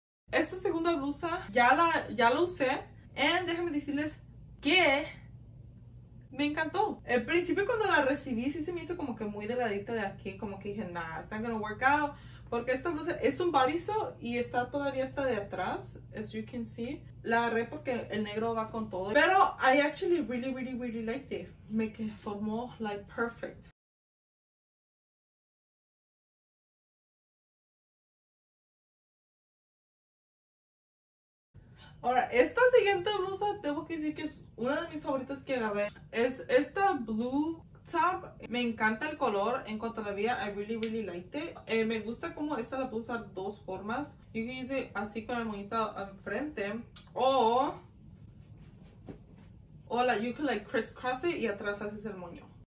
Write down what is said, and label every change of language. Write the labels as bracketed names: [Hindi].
[Spanish] Esta segunda blusa ya la usé. And déjenme decirles que me encantó. Al principio cuando la recibí sí se me hizo como que muy delgadita de aquí. Como que dije, nah, [English] it's not gonna work out. [Spanish] Porque esta blusa es un bodysuit y está toda abierta de atrás, [English] as you can see. [Spanish] La agarré porque el negro va con todo. [English] Pero I actually really, really, really liked it. [Spanish] Me formó like perfect. Ahora, esta siguiente blusa, tengo que decir que es una de mis favoritas que agarré. Es esta blue top. Me encanta el color. En cuanto a la vida, [English] I really, really liked it. [Spanish] Me gusta cómo esta la puedo usar dos formas. [English] You can use it [Spanish] así con el moñito enfrente. [English] O like, you can like crisscross it y [Spanish] atrás haces el moño.